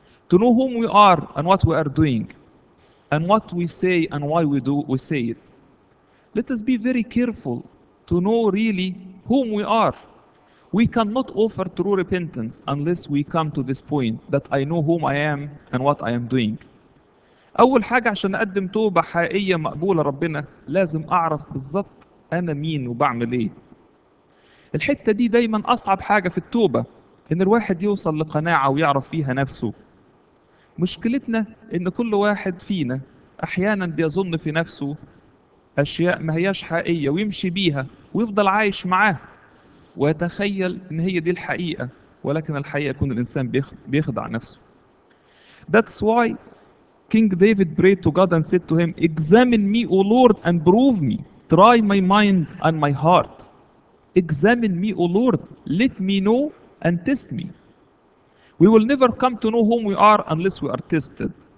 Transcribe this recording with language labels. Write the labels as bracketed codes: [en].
[en] To know whom we are and what we are doing, and what we say and why we say it. Let us be very careful to know really whom we are. We cannot offer true repentance unless we come to this point that I know whom I am and what I am doing. [ar] أول حاجة عشان أقدم توبة حقيقية مقبولة ربنا, لازم أعرف بالضبط أنا مين وبعمل إيه. الحتة دي دايما أصعب حاجة في التوبة, إن الواحد يوصل لقناعة ويعرف فيها نفسه. مشكلتنا إن كل واحد فينا أحياناً بيظن في نفسه أشياء ما هياش حقيقية ويمشي بيها ويفضل عايش معاه ويتخيل إن هي دي الحقيقة, ولكن الحقيقة يكون الإنسان بيخدع نفسه. [en] That's why King David prayed to God and said to him, Examine me, O Lord, and prove me. Try my mind and my heart. Examine me, O Lord. Let me know and test me. We will never come to know whom we are unless we are tested.